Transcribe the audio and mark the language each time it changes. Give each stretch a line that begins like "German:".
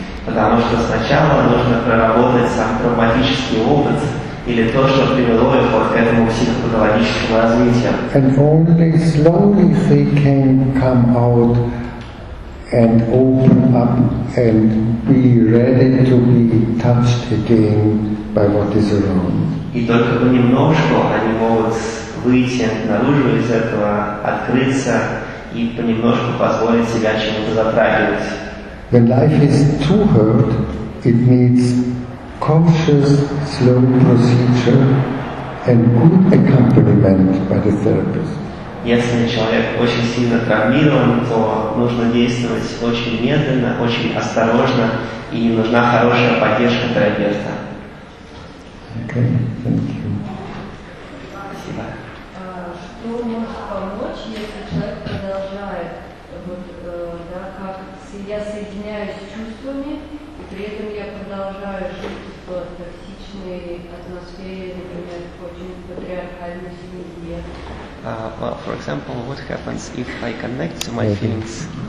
Russian: Потому что сначала нужно проработать сам травматический опыт или то, что привело его к этому психопатологическому развитию.
English: And only slowly they can come out and open up and be ready to be touched again by what is around.
Russian: И только понемножку они могут выйти наружу из этого, открыться и понемножку позволить себя чему-то затрагивать.
English: When life is too hurt, it needs conscious, slow procedure and good accompaniment by the therapist.
Russian: Если человек очень сильно травмирован, то нужно действовать очень медленно, очень осторожно, и нужна хорошая поддержка терапевта.
English: Okay, thank you.
Russian: Спасибо. Что может помочь, если человек продолжает, да, как я соединяюсь с чувствами, и при этом я продолжаю жить в токсичной атмосфере, например, в очень патриархальной семье?
English: Well, for example, what happens if I connect to my feelings?